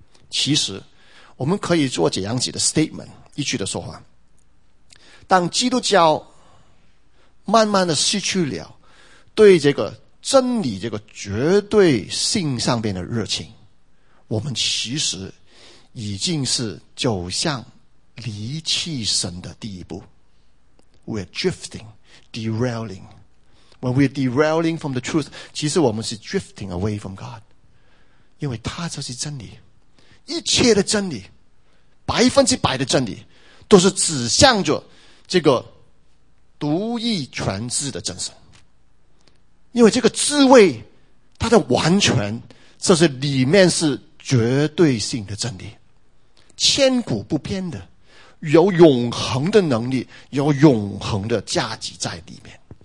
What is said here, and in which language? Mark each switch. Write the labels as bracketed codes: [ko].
[zh] 其实我们可以做这样子的 statement， 一句的说话，当基督教慢慢的失去了对这个真理这个绝对性上面的热情，我们其实已经是走向离弃神的第一步。 [en] We're drifting, derailing. When we're derailing from the truth, [zh] 其实我们是 [en] drifting away from God. [zh] 因为他就是真理，一切的真理，百分之百的真理，都是指向着这个独一全知的真神。因为这个智慧它的完全这是里面是绝对性的真理，千古不变的，有永恒的能力，有永恒的价值在里面。